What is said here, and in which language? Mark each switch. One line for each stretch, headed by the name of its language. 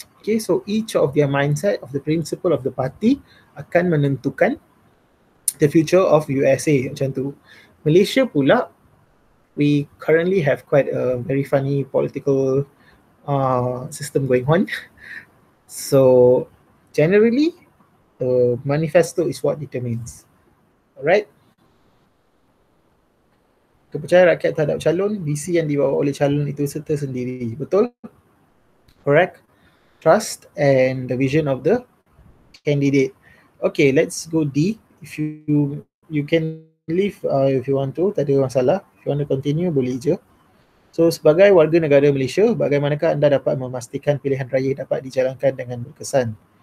English: Okay, so each of their mindset of the principle of the party
Malay: akan menentukan
English: the future of USA,
Malay: macam tu.
English: Malaysia pula, we currently have quite a very funny political system going on. So generally, the manifesto is what determines. Alright?
Malay: Kepercayaan rakyat terhadap calon, visi yang dibawa oleh calon itu serta sendiri. Betul? Correct?
English: Trust and the vision of the candidate. Okay, let's go D. If you can leave if you want to,
Malay: tak ada masalah.
English: If you want to continue,
Malay: boleh je. So, sebagai warga negara Malaysia, bagaimanakah anda dapat memastikan pilihan raya dapat dijalankan dengan berkesan?